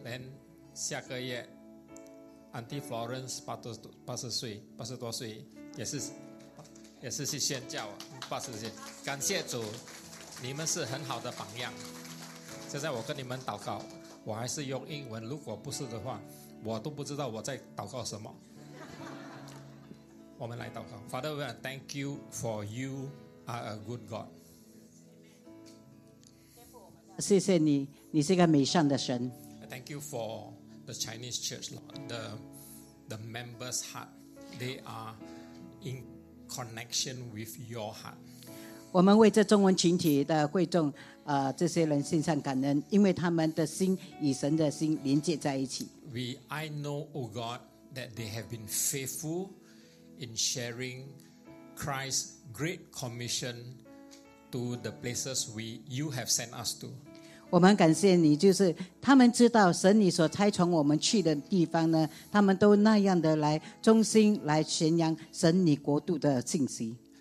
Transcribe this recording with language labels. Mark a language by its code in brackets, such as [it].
[zh] 连下个月 Auntie Florence 80多岁也是去宣教80岁，感谢主，你们是很好的榜样。现在我跟你们祷告，我还是用英文，如果不是的话我都不知道我在祷告什么。我们来祷告。 [en] Father, we are thank you for you are a good God. [zh] 谢谢你，你是个美善的神。 [en] Thank you for the Chinese church, Lord. The members' heart, they are in connection with your heart. [zh] 我们为这中文群体的会众这些人献上感恩，因为他们的心与神的心连接在一起。 [en] I know, O God, that they have been faithful in sharing Christ's great commission to the places you have sent us to. [zh] 我们感谢你，就是他们知道神你所差遣我们去的地方呢，他们都那样的来忠心来宣扬神你国度的信息。